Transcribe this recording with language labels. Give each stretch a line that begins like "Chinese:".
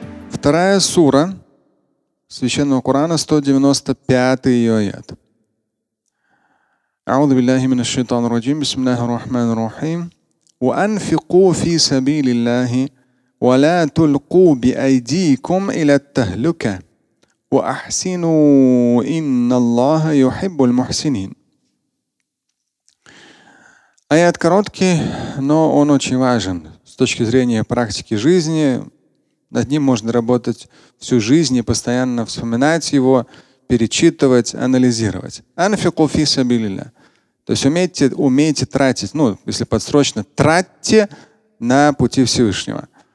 Russian: Вторая сура Священного Корана, 195-й аят.
Arabic: أعوذ بالله من الشيطان الرجيم بسم الله الرحمن الرحيم وأنفقوا في سبيل الله ولا تلقوا بأيديكم إلى التهلكة وأحسنوا إن الله يحب المحسنين.
Russian: Аят короткий, но он очень важен с точки зрения практики жизни. Над ним можно работать всю жизнь и постоянно вспоминать его, перечитывать, анализировать.
Arabic: أنفقوا في سبيل الله.
Russian: То есть умейте тратить, ну, если подсрочно, тратьте на пути Всевышнего.